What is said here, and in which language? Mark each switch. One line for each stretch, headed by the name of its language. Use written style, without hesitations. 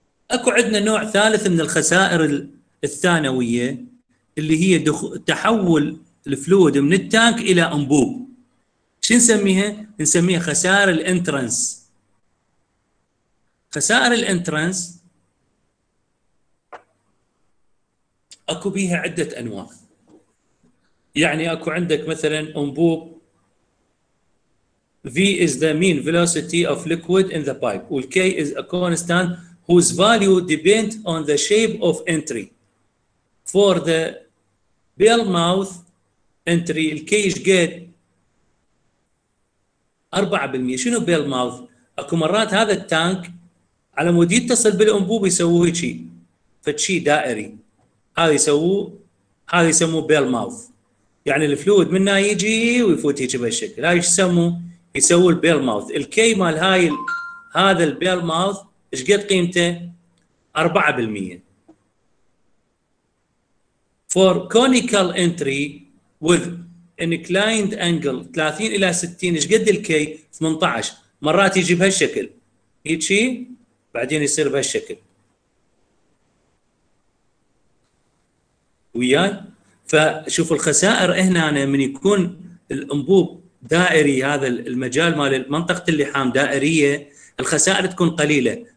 Arabic: أكو عندنا نوع ثالث من الخسائر الثانوية اللي هي تحول الفلويد من التانك إلى أنبوب. شو نسميها؟ نسميها خسائر الانترنس. خسائر الانترنس أكو بيها عدة أنواع. يعني أكو عندك مثلاً أنبوب
English: V is the mean velocity of liquid in the pipe وال K is a constant whose value depends on the shape of entry. For the bell mouth entry, the K is good. 4%.
Arabic: شنو bell mouth؟ أكو مرات هذا التانك على مود يتصل بالأنبوب يسووه شيء، فشيء دائري. هذا يسموه bell mouth. يعني الفلويد منها يجي ويفوت هيك بهالشكل. هاي يسموه يسووا bell mouth. ال K مال هاي هذا bell mouth إيش قد قيمته؟ 4%.
English: For conical entry with inclined angle 30
Arabic: إلى 60 إيش قد الكي؟
English: 18.
Arabic: مرات يجي بهالشكل يجي بعدين يصير بهالشكل وياي. فشوف الخسائر هنا من يكون الأنبوب دائري، هذا المجال مال منطقة اللحام دائرية، الخسائر تكون قليلة.